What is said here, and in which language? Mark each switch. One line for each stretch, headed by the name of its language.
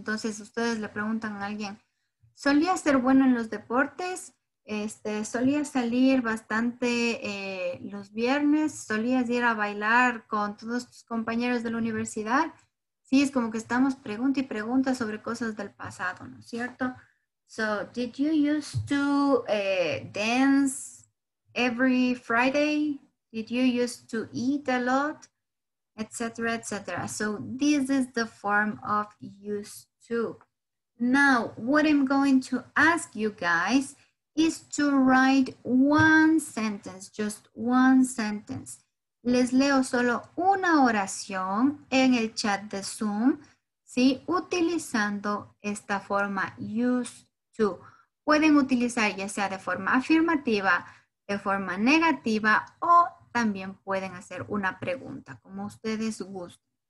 Spanish: Entonces ustedes le preguntan a alguien, ¿solía ser bueno en los deportes? Solía salir bastante los viernes, solías ir a bailar con todos tus compañeros de la universidad. Sí, es como que estamos pregunta y pregunta sobre cosas del pasado, ¿no es cierto?
English: So, did you used to dance every Friday? Did you used to eat a lot? Etcétera, etcétera. So, this is the form of used to. Now, what I'm going to ask you guys is to write one sentence, just one sentence.
Spanish: Les leo solo una oración en el chat de Zoom, ¿sí? Utilizando esta forma, used to. Pueden utilizar ya sea de forma afirmativa, de forma negativa, o también pueden hacer una pregunta, como ustedes gusten.